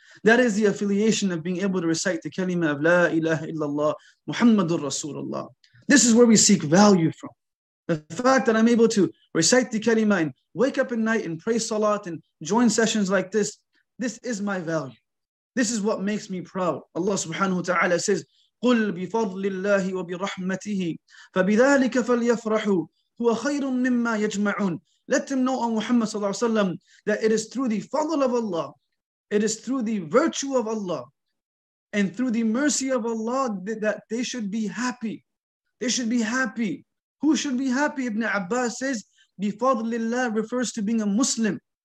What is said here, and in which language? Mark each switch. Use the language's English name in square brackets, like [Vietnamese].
[English] That is the affiliation of being able to recite the kalima of La ilaha illallah, Muhammadur Rasulullah. This is where we seek value from. The fact that I'm able to recite the kalima and wake up at night and pray salat and join sessions like this, this is my value. This is what makes me proud. Allah subhanahu wa ta'ala says, [Arabic] قُلْ بِفَضْلِ اللَّهِ وَبِرَحْمَتِهِ فَبِذَلِكَ فَلْيَفْرَحُوا هُوَ خَيْرٌ مِّمَّا يَجْمَعُونَ. [English] Let them know, O Muhammad sallallahu alayhi wa sallam, that it is through the fadl of Allah, it is through the virtue of Allah, and through the mercy of Allah that they should be happy. They should be happy. Who should be happy? Ibn Abbas says, [Arabic] بِفَضْلِ اللَّهِ [English] refers to being a Muslim.